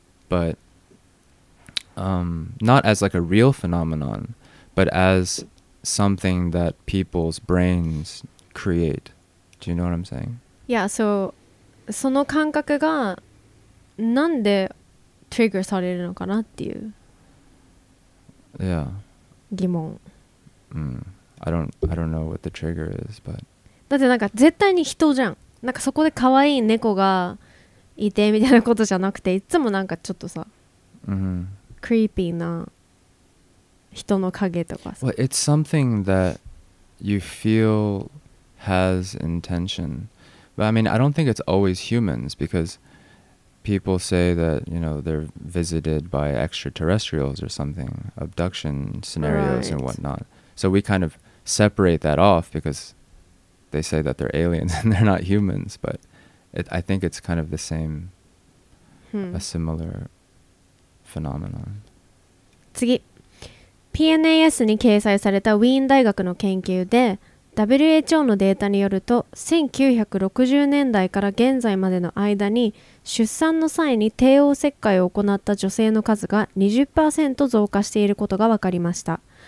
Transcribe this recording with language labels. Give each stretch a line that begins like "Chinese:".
English: But not as like a real phenomenon, but as something that people's brains create. Do you know what I'm saying? Yeah, so
Japanese: その感覚がなんで trigger されるのかなっていう疑問。
English: I don't know what the trigger is, but...
Japanese: だってなんか絶対に人じゃん。なんかそこで可愛い猫がいてみたいなことじゃなくて、いつもなんかちょっとさ、クリーピーな人の影とかさ。
English: Well, it's something that you feel has intention. But I mean, I don't think it's always humans because people say that, you know, they're visited by extraterrestrials or something, abduction scenarios and whatnot. So we kind of separate that off because... They say that they're aliens and they're not humans, but I think it's kind of the same, a similar phenomenon.
Japanese: 次、PNAS に掲載されたウィーン大学の研究で、WHO のデータによると、1960年代から現在までの間に出産の際に帝王切開を行った女性の数が 20% 増加していることが分かりました。